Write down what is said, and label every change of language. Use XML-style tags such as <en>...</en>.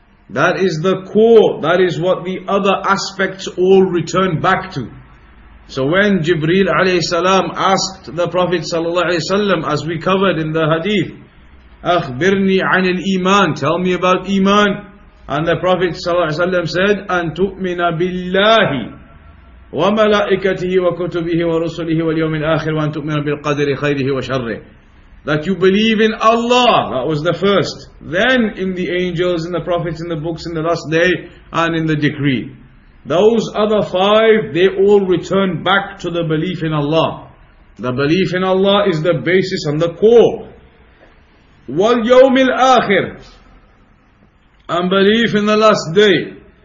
<en>That is the core. That is what the other aspects all return back to. So when Jibreel alayhi salam asked the Prophet sallallahu alayhi salam, as we covered in the hadith,</en> <ar>أخبرني عن الإيمان,</ar> <en>tell me about Iman. And the Prophet sallallahu alayhi salam said,</en> <ar>أن تؤمن بالله وملائكته وكتبه ورسله واليوم الآخر وأن تؤمن بالقدر خيره وشره.</ar> <en>That you believe in Allah, that was the first. Then in the angels, in the prophets, in the books, in the last day, and in the decree. Those other five, they all return back to the belief in Allah. The belief in Allah is the basis and the core.</en> <ar>Wal yawm al akhir,</ar> <en>and belief in the last day.</en>